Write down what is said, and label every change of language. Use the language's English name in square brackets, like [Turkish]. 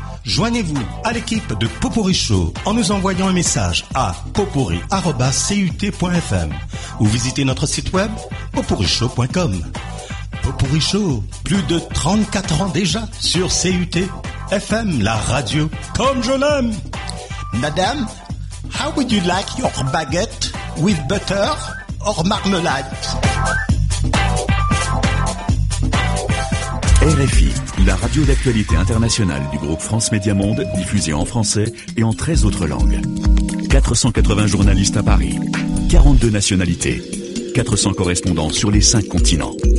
[French] Joignez-vous à l'équipe de Pot Pourri Show en nous envoyant un message à potpourri@cut.fm ou visitez notre site web potpourrishow.com. Pot Pourri Show, plus de 34 ans déjà sur CUT FM, la radio comme je l'aime. [English] Madame, how would you like your baguette with butter or marmalade? [French] RFI, la radio d'actualité internationale du groupe France Média Monde, diffusée en français et en 13 autres langues. 480 journalistes à Paris, 42 nationalités, 400 correspondants sur les 5 continents.